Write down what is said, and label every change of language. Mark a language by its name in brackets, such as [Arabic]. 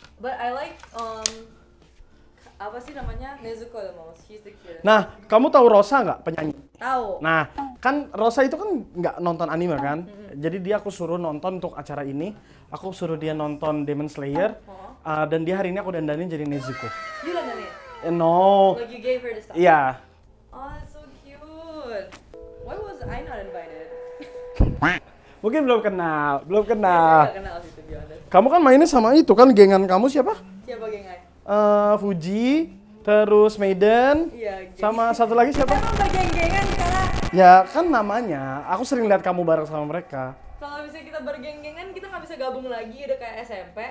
[English] But I like, [Indonesian] apa sih namanya? [English] Nezuko the most. She's the cutest. [Indonesian] Nah, kamu tahu Rosa nggak penyanyi? Tahu. Nah, kan Rosa itu kan nggak nonton anime kan? Mm-hmm. Jadi dia aku suruh nonton untuk acara ini. Aku suruh dia nonton Demon Slayer. Oh. Dan dia hari ini aku dandanin jadi Nezuko. [English] You dandanin? No. Like you gave her the stuff? [Indonesian] Iya. [English] Yeah. Oh, that's so cute. Why was I not invited? [Indonesian] Mungkin belum kenal, belum kenal. Ya, kenal sih, kamu kan mainnya sama itu kan, gengan kamu siapa? Siapa gengan? Fuji, terus Maiden, ya, sama satu lagi siapa? Kamu gak geng-gengan sekarang? Ya kan namanya, aku sering lihat kamu bareng sama mereka. Kalau misalnya kita bergeng-gengan, kita gak bisa gabung lagi, udah kayak SMP.